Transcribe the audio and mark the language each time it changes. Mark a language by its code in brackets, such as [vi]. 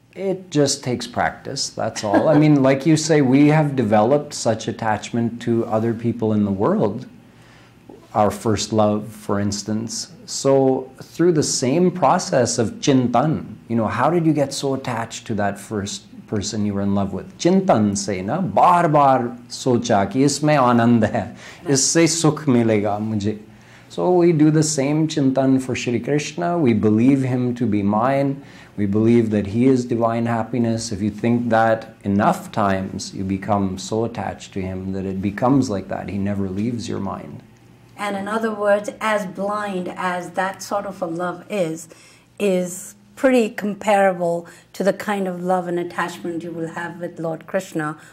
[en] It just takes practice, that's all. I mean, like you say, we have developed such attachment to other people in the world, our first love, for instance. So through the same process of chintan, you know, how did you get so attached to that first person you were in love with. [hi] चिंतन से ना, बार बार सोचा कि इसमें आनंद है, इससे सुख मिलेगा मुझे. [en] So we do the same chintan for Shri Krishna. We believe him to be mine. We believe that he is divine happiness. If you think that enough times, you become so attached to him that it becomes like that. He never leaves your mind. And in other words, as blind as that sort of a love is pretty comparable to the kind of love and attachment you will have with Lord Krishna.